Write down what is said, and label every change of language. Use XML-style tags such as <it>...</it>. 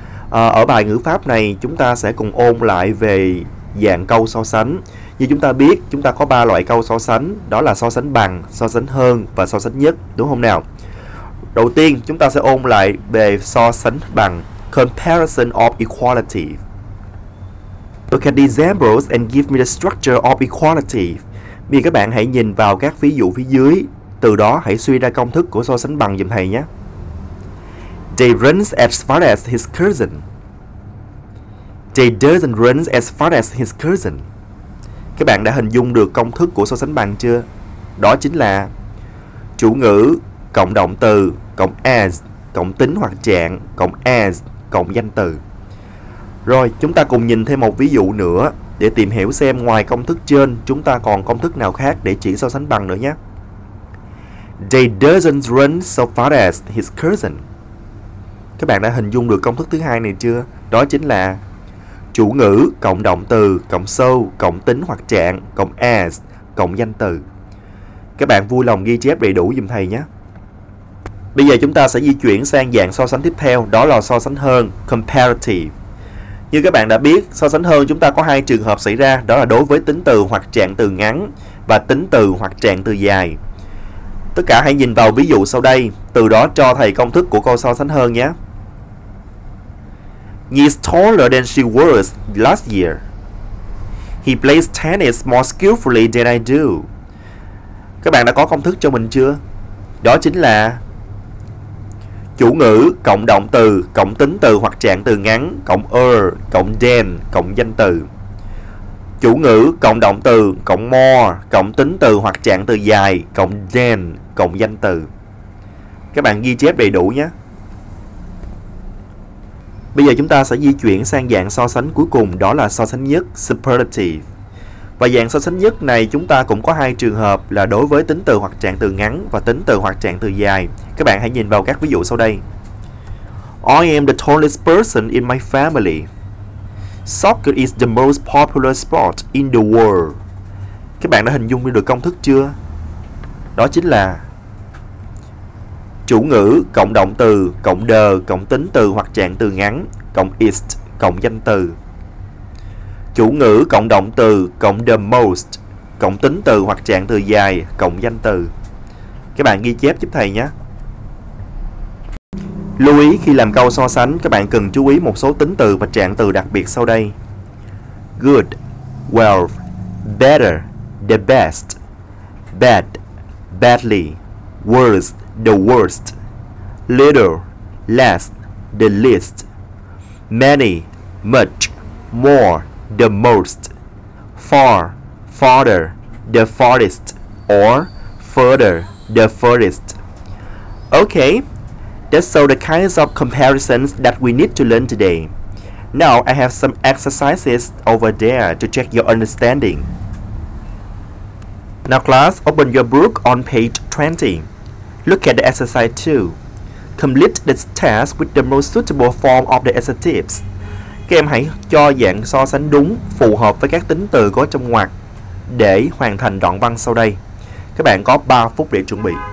<vi>Ở bài ngữ pháp này, chúng ta sẽ cùng ôn lại về dạng câu so sánh. Như chúng ta biết, chúng ta có 3 loại câu so sánh, đó là so sánh bằng, so sánh hơn và so sánh nhất, đúng không nào? Đầu tiên, chúng ta sẽ ôn lại về so sánh bằng, comparison of equality.</vi> <en>Look at the examples and give me the structure of equality.</en> <vi>Vì các bạn hãy nhìn vào các ví dụ phía dưới, từ đó hãy suy ra công thức của so sánh bằng giùm thầy nhé.</vi> <en>They run as far as his cousin. They doesn't run as far as his cousin.</en> <vi>Các bạn đã hình dung được công thức của so sánh bằng chưa? Đó chính là chủ ngữ cộng động từ cộng as cộng tính hoặc trạng cộng as cộng danh từ. Rồi, chúng ta cùng nhìn thêm một ví dụ nữa để tìm hiểu xem ngoài công thức trên chúng ta còn công thức nào khác để chỉ so sánh bằng nữa nhé.</vi> <en>They doesn't run so far as his cousin.</en> <vi>Các bạn đã hình dung được công thức thứ hai này chưa? Đó chính là chủ ngữ cộng động từ cộng so cộng tính hoặc trạng cộng as cộng danh từ. Các bạn vui lòng ghi chép đầy đủ giùm thầy nhé. Bây giờ chúng ta sẽ di chuyển sang dạng so sánh tiếp theo, đó là so sánh hơn, comparative. Như các bạn đã biết, so sánh hơn chúng ta có hai trường hợp xảy ra, đó là đối với tính từ hoặc trạng từ ngắn và tính từ hoặc trạng từ dài. Tất cả hãy nhìn vào ví dụ sau đây, từ đó cho thầy công thức của câu so sánh hơn nhé.</vi> <en>He is taller than she was last year. He plays tennis more skillfully than I do.</en> <vi>Các bạn đã có công thức cho mình chưa? Đó chính là chủ ngữ cộng động từ cộng tính từ hoặc trạng từ ngắn cộng cộng than cộng danh từ. Chủ ngữ cộng động từ cộng more cộng tính từ hoặc trạng từ dài cộng than cộng danh từ. Các bạn ghi chép đầy đủ nhé. Bây giờ chúng ta sẽ di chuyển sang dạng so sánh cuối cùng, đó là so sánh nhất, superlative. Và dạng so sánh nhất này chúng ta cũng có hai trường hợp là đối với tính từ hoặc trạng từ ngắn và tính từ hoặc trạng từ dài. Các bạn hãy nhìn vào các ví dụ sau đây.</vi> <en>I am the tallest person in my family. Soccer is the most popular sport in the world.</en> <vi>Các bạn đã hình dung được công thức chưa? Đó chính là chủ ngữ cộng động từ cộng the cộng tính từ hoặc trạng từ ngắn cộng is cộng danh từ. Chủ ngữ cộng động từ cộng the most cộng tính từ hoặc trạng từ dài cộng danh từ. Các bạn ghi chép giúp thầy nhé. Lưu ý khi làm câu so sánh, các bạn cần chú ý một số tính từ và trạng từ đặc biệt sau đây.</vi> <en>Good, well, better, the best, bad, badly, worse, the worst, little, less, the least, many, much, more, the most, far, farther, the farthest, or further, the furthest. Okay, that's all the kinds of comparisons that we need to learn today. Now I have some exercises over there to check your understanding. Now class, open your book on page 20. Look at the exercise 2. Complete this task with the most suitable form of the adjectives.</en> <vi>Các em hãy cho dạng so sánh đúng phù hợp với các tính từ có trong ngoặc để hoàn thành đoạn văn sau đây. Các bạn có 3 phút để chuẩn bị.</vi>